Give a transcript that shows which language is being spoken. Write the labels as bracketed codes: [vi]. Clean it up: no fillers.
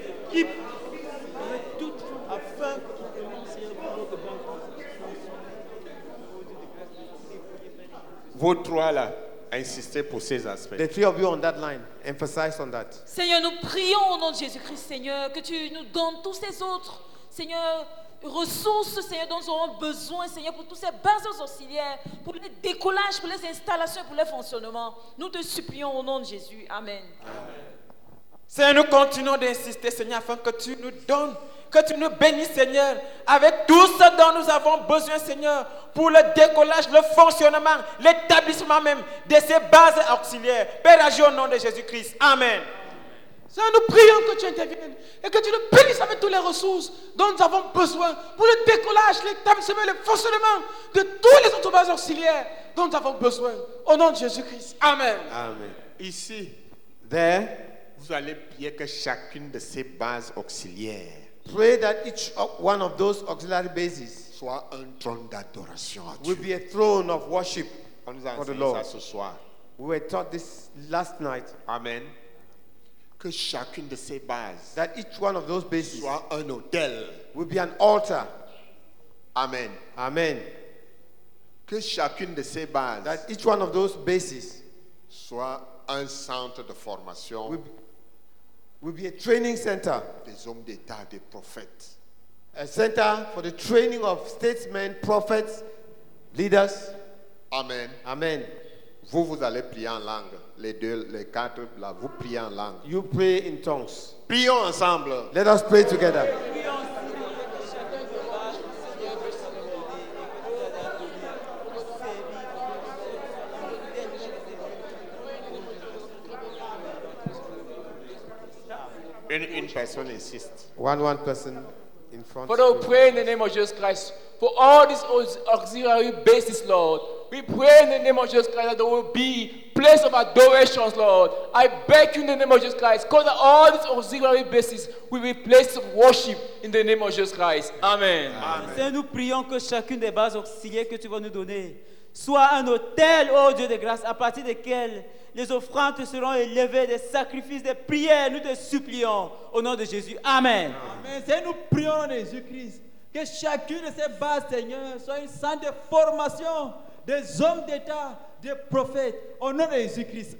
[en] Keep. [fr] Vous trois là, insistez pour ces aspects. [en] The three of you on that line, emphasize on that. [fr] Seigneur, nous prions au nom de Jésus-Christ, Seigneur, que tu nous donnes tous ces autres, Seigneur, ressources, Seigneur, dont nous aurons besoin, Seigneur, pour toutes ces bases auxiliaires, pour les décollages, pour les installations, pour les fonctionnements. Nous te supplions au nom de Jésus. Amen. Amen. Seigneur, nous continuons d'insister, Seigneur, afin que tu nous donnes, que tu nous bénisses, Seigneur, avec tout ce dont nous avons besoin, Seigneur, pour le décollage, le fonctionnement, l'établissement même de ces bases auxiliaires. Père, agis au nom de Jésus-Christ. Amen. Seigneur, nous prions que tu interviennes et que tu nous bénisses avec toutes les ressources dont nous avons besoin pour le décollage, l'établissement, le fonctionnement de toutes les autres bases auxiliaires dont nous avons besoin. Au nom de Jésus-Christ. Amen. Amen. Ici, [en] there, [fr] vous allez prier que chacune de ces bases auxiliaires, [en] pray that each one of those auxiliary bases [fr] soit un trône d'adoration à Dieu, [en] will be a throne of worship for the Lord. [fr] Ça ce soir. [en] We were taught this last night. [fr] Amen. Que chacune de ces bases, [en] that each one of those bases [fr] soit un autel, [en] will be an altar. Amen. Amen. [fr] Que chacune de ces bases, [en] that each one of those bases [fr] soit un centre de formation, [en] will be a training center. [fr] Des hommes d'état, des prophètes. [en] A center for the training of statesmen, prophets, leaders. Amen. Amen. [fr] Vous, vous allez prier en langue. Les deux, les quatre, là, vous priez en langue. [en] You pray in tongues. [fr] Prions ensemble. [en] Let us pray together. [fr] Une personne insiste. [en] One person in front. Father, we pray in the name of Jesus Christ for all these auxiliary bases, Lord. We pray in the name of Jesus Christ that there will be place of adorations, Lord. I beg you in the name of Jesus Christ, cause that all these auxiliary bases will be place of worship in the name of Jesus Christ. Amen. Amen. [fr] Seigneur, nous prions que chacune des bases auxiliaires que tu vas nous donner soit un autel, ô Dieu de grâce, à partir desquels les offrandes seront élevées, des sacrifices, des prières. Nous te supplions au nom de Jésus. Amen. Amen. Seigneur, nous prions en Jésus-Christ que chacune de ces bases, Seigneur, soit un centre de formation des hommes d'État, des prophètes, au nom de Jésus-Christ.